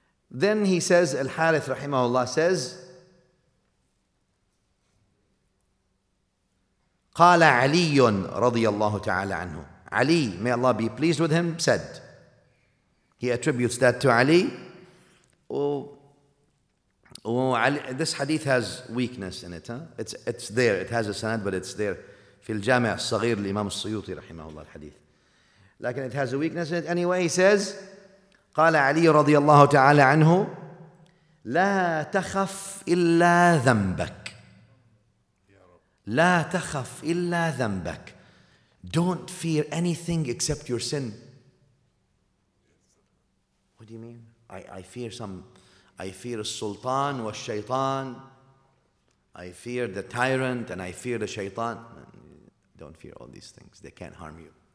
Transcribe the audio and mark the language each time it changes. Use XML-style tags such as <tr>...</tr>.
<en>Then he says, Al-Harith rahimahullah says,</en> <ar>قال علي رضي الله تعالى عنه.</ar> <en>Ali, may Allah be pleased with him, said. He attributes that to Ali. Ali, this hadith has weakness in it. Huh? It's there. It has a sanad, but it's there.</en> <ar>في الجامع الصغير لإمام السيوطي رحمه الله الحديث. لكن</ar> <en>it has a weakness in it. Anyway, he says,</en> <ar>قال علي رضي الله تعالى عنه, لا تخف إلا ذنبك. لا تخف إلا ذنبك.</ar> <en>Don't fear anything except your sin. What do you mean? I fear</en> <ar>السلطان والشيطان.</ar> <en>I fear the tyrant and I fear the شيطان. Don't fear all these things. They can't harm you.</en>